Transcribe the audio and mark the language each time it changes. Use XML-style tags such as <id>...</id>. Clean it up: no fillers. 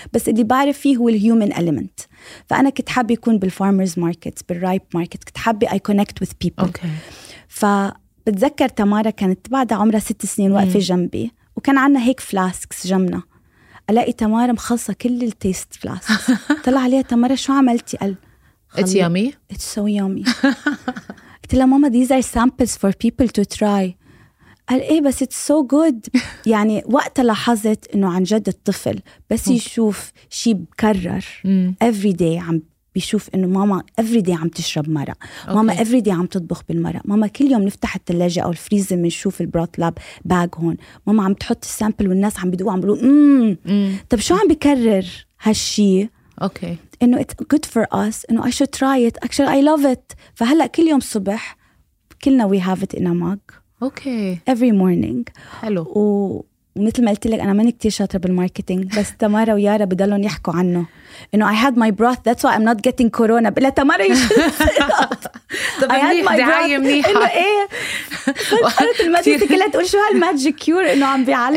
<ar>بس اللي بعرف فيه هو human element. فأنا كنت حابة يكون بالفارمرز ماركت بالرايب ماركت كنت حابة</ar> <en>I connect with people. okay.</en> <ar>فبتذكر تمارا كانت بعد عمرها 6 سنين واقفة جنبي وكان عنا هيك فلاسكس جمنا. ألاقي تمارا مخلصة كل التيست فلاسكس. طلع عليها تمارا شو عملتي؟ قال</ar> <en>It's yummy. It's so yummy.</en> <ar>قلت لها ماما</ar> <en>these are samples for people to try.</en> <ar>قال إيه بس</ar> <en>it's so good.</en> <ar>يعني وقتها لاحظت إنه عن جد الطفل بس يشوف شيء بكرر</ar> <en>every day</en> <ar>عم بيشوف إنه ماما every day عم تشرب مرق. ماما every day عم تطبخ بالمرق. ماما كل يوم نفتح التلاجة أو الفريزر منشوف البروث لاب باج هون. ماما عم تحط السامبل والناس عم بيدوقوا عم بيقولوا طب شو عم بيكرر هالشي؟ أوكي. إنه</ar> <en>it's good for us. إنه I should try it. Actually I love it.</en> <ar>فهلأ كل يوم صبح كلنا</ar> <en>we have it in a mug.</en> <ar>اوكي</ar> <en>every morning.</en> <ar>حلو. ومثل ما قلت لك انا ماني كتير شاطره بالماركتينج بس تمارا ويارا بضلهم يحكوا عنه انه</ar> <en>I had my breath that's why I'm not getting corona.</en> <ar>بلا تمارا يشوف طب دعاية منيحة انه ايه فقرت المدرسة كلها تقول شو هالماجيك كيور انه عم بيعالج</ar>